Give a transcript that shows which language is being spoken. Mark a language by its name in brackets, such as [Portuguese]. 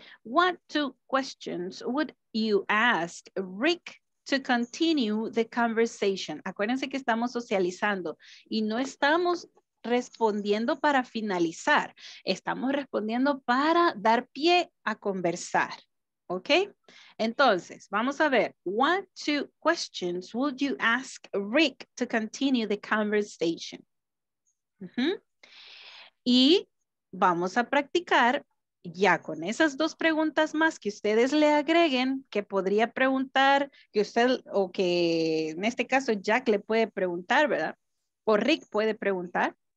[English] What two questions would you ask Rick to continue the conversation? [Spanish] Acuérdense que estamos socializando y no estamos respondiendo para finalizar. Estamos respondiendo para dar pie a conversar. ¿Ok? Entonces, vamos a ver. [English] What two questions would you ask Rick to continue the conversation? Uh-huh. [Spanish] Y vamos a practicar ya con esas dos preguntas más que ustedes le agreguen, que podría preguntar, que usted, o que en este caso Jack le puede preguntar, ¿verdad? O Rick puede preguntar.